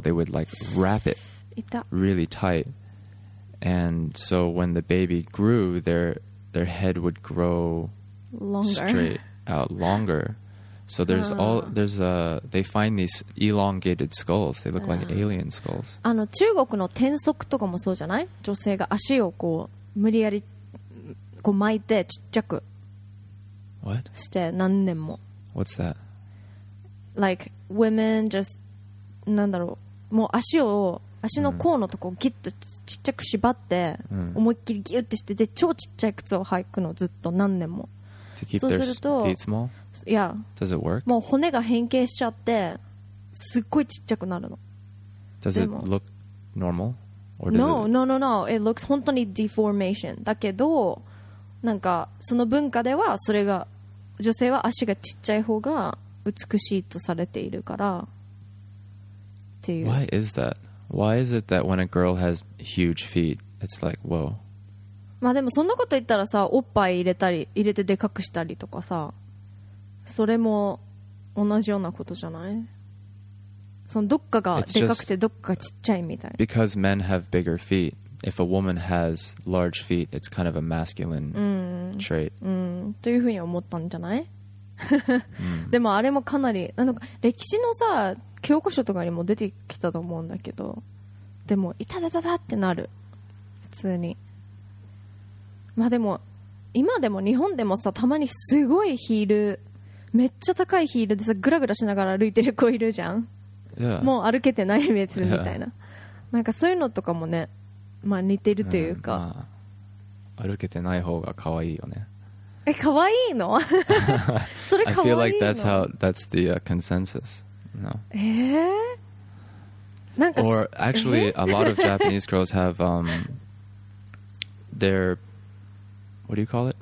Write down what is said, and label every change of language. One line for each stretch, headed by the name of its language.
English: They would like wrap it really tight, and so when the baby grew their head would grow longer. Straight out longer. So there's all there's a they find these elongated skulls. They look like alien skulls.
Japanese: あの中国の転足とかもそうじゃない？女性が足をこう無理やりこう巻いてちっちゃくして何年も。
English: What's that? Like women just
Japanese: なんだろう、もう足を足の甲のとこギュッとちっちゃく縛って思いっきりギュッてしてで超ちっちゃい靴を履くのずっと何年も。
English: To keep their feet small? Yeah. Does it work?
Japanese: もう骨が変形しちゃってすっごいちっちゃくなるの。
English: Does it look normal? Or does no, no, no, no. It looks
Japanese: 本当に
English: deformation.
Japanese: だけどなんかその文化ではそれが女性は足がちっちゃい方が美しいとされているからっていう。
English: Why is that? Why is it that when a girl has huge feet, it's like, whoa?
Japanese: まあでもそんなこと言ったらさ、おっぱい入れたり、入れてでかくしたりとかさ、それも同じようなことじゃない？そのどっかがでかくてどっかがちっちゃいみたい。
English: Because men have bigger feet, if a woman has large feet, it's kind of a masculine trait.
Japanese: というふうに思ったんじゃない？でもあれもかなり、なんか歴史のさ、教科書とかにも出てきたと思うんだけど、でもいただただってなる普通に。まあでも今でも日本でもさ、たまにすごいヒール、めっちゃ高いヒールでさ、グラグラしながら歩いてる子いるじゃん、もう歩けてない別みたいな、なんかそういうのとかもね、まあ似てるというか、歩けてない方が可愛いよね。え、可愛いの？それ可愛いの？
English: I feel like that's how that's the consensus. No. Or actually, a lot of Japanese girls have their what do you call it?